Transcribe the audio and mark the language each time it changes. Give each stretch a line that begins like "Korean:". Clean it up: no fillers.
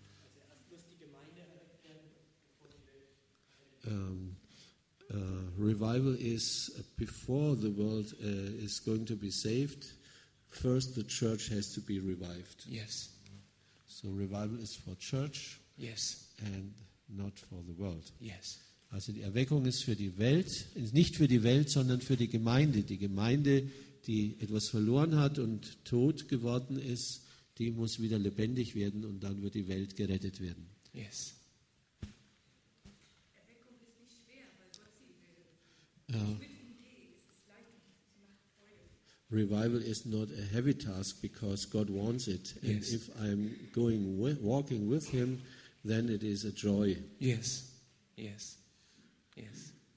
German: Also erst muss die Gemeinde errettet werden, bevor die Welt.
English: Revival is before the world is going to be saved. First, the church has to be revived. Yes. So revival is for church. Yes. And not for the world. Yes.
German: Also die Erweckung ist für die Welt, ist nicht für die Welt, sondern für die Gemeinde. Die Gemeinde, die etwas verloren hat und tot geworden ist, die muss wieder lebendig werden und dann wird die Welt gerettet werden.
English: Yes.
German: Erweckung ist nicht schwer, weil Gott sie will.
English: Revival is not a heavy task because God wants it. And yes. If I'm going walking with him, then it is a joy. Yes, yes, yes.